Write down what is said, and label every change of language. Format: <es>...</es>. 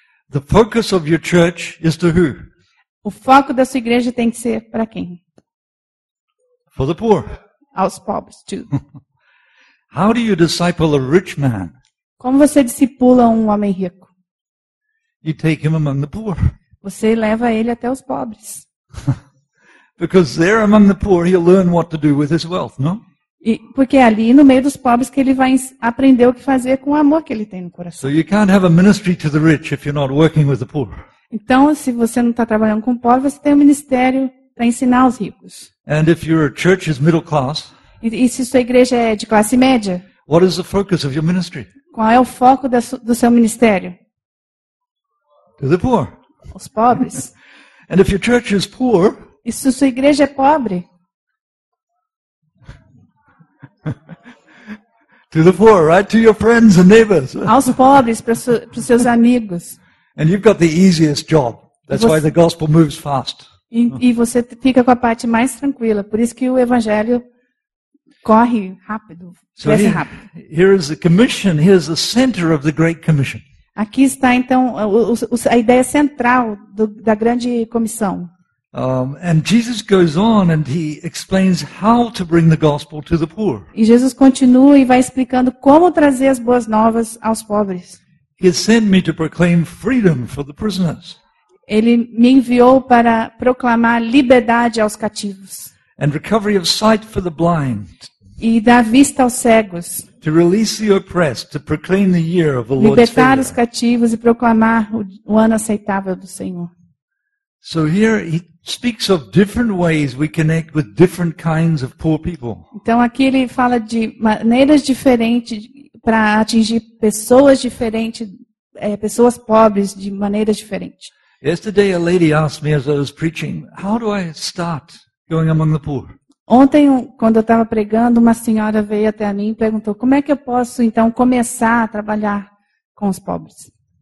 <en>The focus of your church is to who?</en> <pt>O foco da sua igreja tem que ser para quem?</pt> <en>For the poor.</en> <pt>Aos pobres too.</pt> <en>How do you disciple a rich man?</en> <pt>Como você discipula um homem rico?</pt> <en>You take him among the poor.</en> <pt>Você leva ele até os pobres.</pt> <en>Because there among the poor he'll learn what to do with his wealth, no?</en> <pt>E porque é ali no meio dos pobres que ele vai aprender o que fazer com o amor que ele tem no coração.</pt> <en>So you can't have a ministry to the rich if you're not working with the poor.</en> <pt>Então se você não está trabalhando com o pobre, você tem um ministério para ensinar os ricos.</pt> <en>And if your church is middle class,</en> <pt>e se sua igreja é de classe média,</pt> <en>what is the focus of your ministry?</en> <pt>Qual é o foco do seu ministério?</pt> <en>To the poor.</en> <pt>Os pobres.</pt> <en>And if your church is poor,</en> <pt>e se sua igreja é pobre?</pt> <en>To the poor, right? To your friends and neighbors.</en> <pt>Aos pobres, para os seus amigos.</pt> <en>And you've got the easiest job. That's why the gospel moves fast.</en> <pt>E você fica com a parte mais tranquila. Por isso que o evangelho corre rápido.</pt> <en>So here is the commission. Here is the center of the Great Commission.</en> <pt>Aqui está, então, a ideia central da grande comissão.</pt> <en>And Jesus goes on and he explains how to bring the gospel to the poor.</en> <pt>E Jesus continua e vai explicando como trazer as boas novas aos pobres.</pt> <en>He has sent me to proclaim freedom for the prisoners.</en> <pt>Ele me enviou para proclamar liberdade aos cativos.</pt> <en>And recovery of sight for the blind.</en> <pt>E dar vista aos cegos.</pt> <en>To release the oppressed, to proclaim the year of the Lord's favor.</en> <pt>Libertar os cativos e proclamar o ano aceitável do Senhor.</pt> <en>So here he speaks of different ways we connect with different kinds of poor people.</en> <pt>Então aqui ele fala de maneiras diferentes para atingir pessoas diferentes, pessoas pobres de maneiras diferentes.</pt> <en>Yesterday a lady asked me as I was preaching, how do I start going among the poor?</en> <pt>Ontem, quando eu estava pregando, uma senhora veio até a mim e perguntou, como é que eu posso então começar a trabalhar com os pobres?</pt>